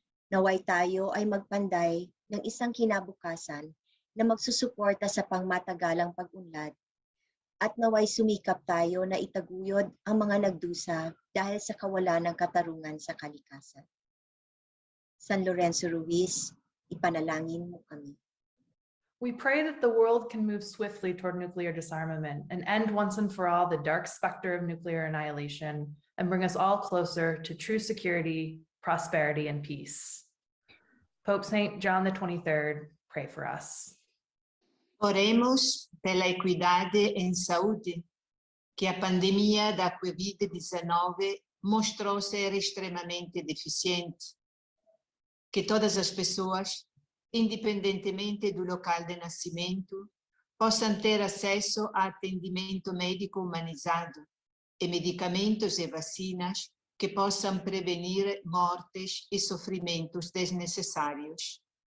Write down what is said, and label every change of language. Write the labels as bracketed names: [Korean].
[Filipino] Naway tayo ay magpanday ng isang kinabukasan na magsusuporta sa pangmatagalang pag-unlad at naway sumikap tayo na itaguyod ang mga nagdusa dahil sa kawalan ng katarungan sa kalikasan. San Lorenzo Ruiz, ipanalangin mo kami. [English] We pray that the world can move swiftly toward nuclear disarmament and end once and for all the dark specter of nuclear annihilation and bring us all closer to true security, prosperity, and peace. Pope Saint John the 23rd, pray for us. [Portuguese] Oremos per la equidade en saúde que a pandemia da COVID-19 mostrou ser extremamente deficiente, que todas as pessoas, independentemente do local de nascimento, possam ter acesso a atendimento médico humanizado e medicamentos e vacinas que possam prevenir mortes e sofrimentos desnecessários.